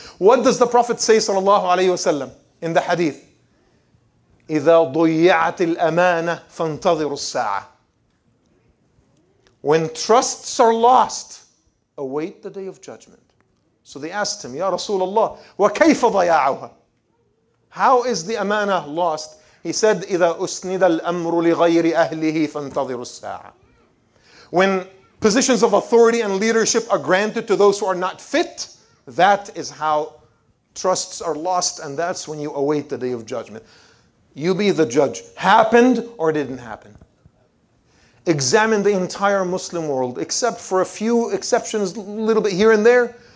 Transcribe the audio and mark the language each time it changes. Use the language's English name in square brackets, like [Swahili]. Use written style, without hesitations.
[English] What does the Prophet say, sallallahu alayhi wa sallam, in the hadith? [Arabic] إِذَا ضُيَّعَتِ الْأَمَانَةِ فَانْتَظِرُ السَّاعَةِ. [English] When trusts are lost, await the day of judgment. So they asked him, Ya Rasulullah, [Arabic] وَكَيْفَ ضَيَاعُهَا? [English] How is the amana lost? He said, [Arabic] إِذَا أُسْنِدَ الْأَمْرُ لِغَيْرِ أَهْلِهِ فَانْتَظِرُ السَّاعَةِ. [English] When positions of authority and leadership are granted to those who are not fit, that is how trusts are lost, and that's when you await the day of judgment. You be the judge. Happened or didn't happen? Examine the entire Muslim world, except for a few exceptions, a little bit here and there.